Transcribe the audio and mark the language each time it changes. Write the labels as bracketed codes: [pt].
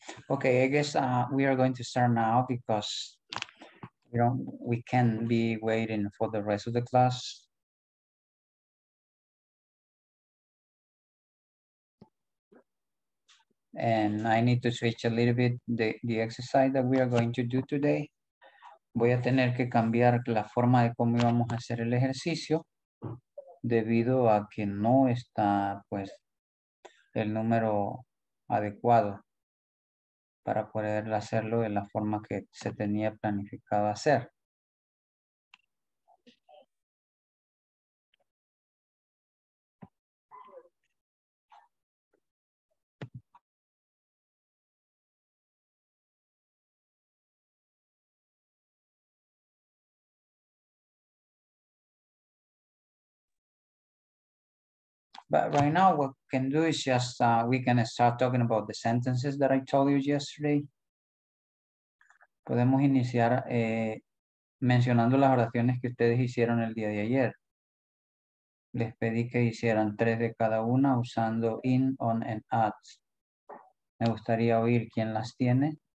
[en] Okay, I guess we are going to start now because we can't be waiting for the rest of the class. And I need to switch a little bit the exercise that we are going to do today. [es] Voy a tener que cambiar la forma de cómo íbamos a hacer el ejercicio debido a que no está pues el número adecuado para poder hacerlo de la forma que se tenía planificado hacer. [en] But right now what we can do is just, we can start talking about the sentences that I told you yesterday. [es] Podemos iniciar mencionando las oraciones que ustedes hicieron el día de ayer. Les pedí que hicieran 3 de cada una usando in, on, and at. Me gustaría oír quién las tiene.